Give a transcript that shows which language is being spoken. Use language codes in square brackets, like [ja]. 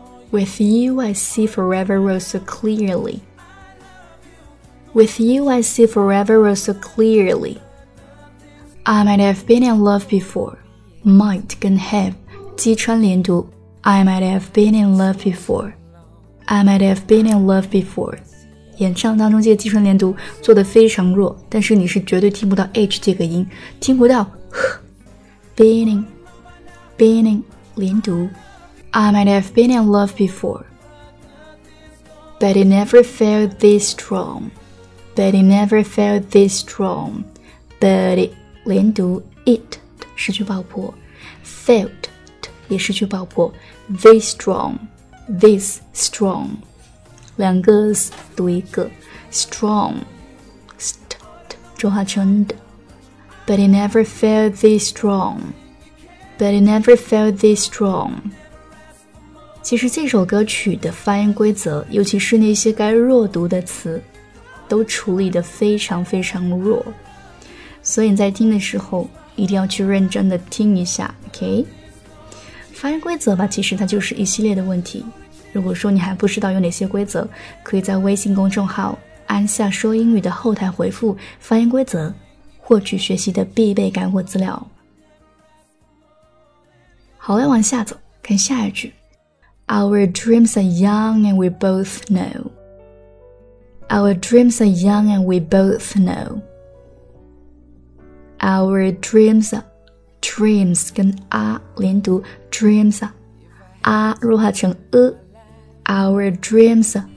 [en] With you, I see forever row so clearly. With you, I see forever row so clearly. I might have been in love before. Might 跟 have [zh] 击穿连读 [en] I might have been in love before. I might have been in love before. [zh] 演唱当中这个击穿连读做得非常弱，但是你是绝对听不到 H 这个音，听不到 Beening 连读 [en] I might have been in love before. But it never felt this strong. But it never felt this strong. But it 连读 It [zh] 失去爆破 [en] Felt [zh] 也失去爆破 [en] This strongThis strong [zh] 两个 [en] s [zh] 读一个 [en] strong st [zh] 中华成 [en] d but it never felt this strong but it never felt this strong [zh] 其实这首歌曲的发音规则尤其是那些该弱读的词都处理得非常非常弱，所以你在听的时候一定要去认真的听一下 OK 发音规则吧，其实它就是一系列的问题，如果说你还不知道有哪些规则，可以在微信公众号安夏说英语的后台回复发音规则，获取学习的必备干货资料。好，来往下走，看下一句。 [en] Our dreams are young and we both know. Our dreams are young and we both know. Our dreams are dreams 跟 a 连读 dreams are [zh] 弱化成 [en] Our dreams